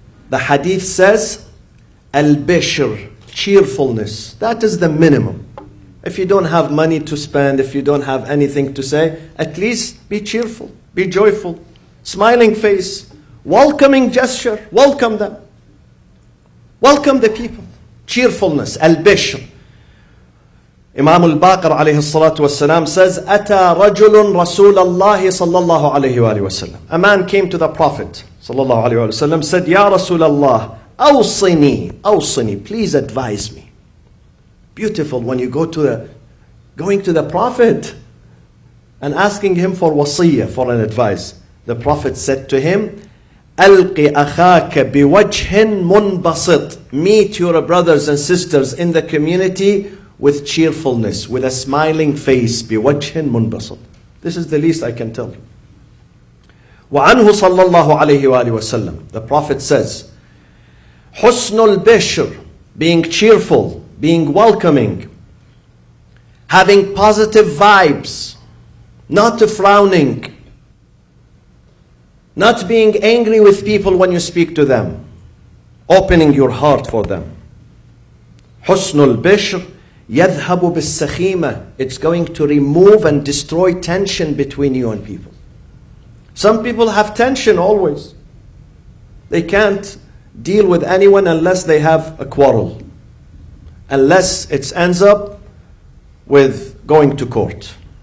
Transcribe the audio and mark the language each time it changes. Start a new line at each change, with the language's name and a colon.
English: The hadith says, al-bishr, cheerfulness. That is the minimum. If you don't have money to spend, if you don't have anything to say, at least be cheerful, be joyful, smiling face, welcoming gesture, welcome them. Welcome the people. Cheerfulness, al-bishr. Imam al-Baqir alayhi salatu wasalam says,
Arabic: أتى رجل رسول الله صلى الله عليه وآله وسلم.
English: A man came to the Prophet
Arabic: صلى الله عليه وآله وسلم,
English: said,
Arabic: يا رسول الله, أوصني,
English: please advise me. Beautiful when you go to the Prophet and asking him for wasiyah, for an advice. The Prophet said to him,
Arabic: ألقي أخاك بوجه منبسط.
English: Meet your brothers and sisters in the community with cheerfulness, with a smiling face,
Arabic: بِوَجْهٍ مُنْبَسَطٍ.
English: This is the least I can tell you.
Arabic: وَعَنْهُ صَلَّى اللَّهُ عَلَيْهِ وَآلِهِ وَسَلَّمُ.
English: The Prophet says,
Arabic: حُسْنُ الْبِشْرِ,
English: being cheerful, being welcoming, having positive vibes, not frowning, not being angry with people when you speak to them, opening your heart for them.
Arabic: حُسْنُ الْبِشْرِ يذهب بالسخيمة.
English: It's going to remove and destroy tension between you and people. Some people have tension always. They can't deal with anyone unless they have a quarrel. Unless it ends up with going to court.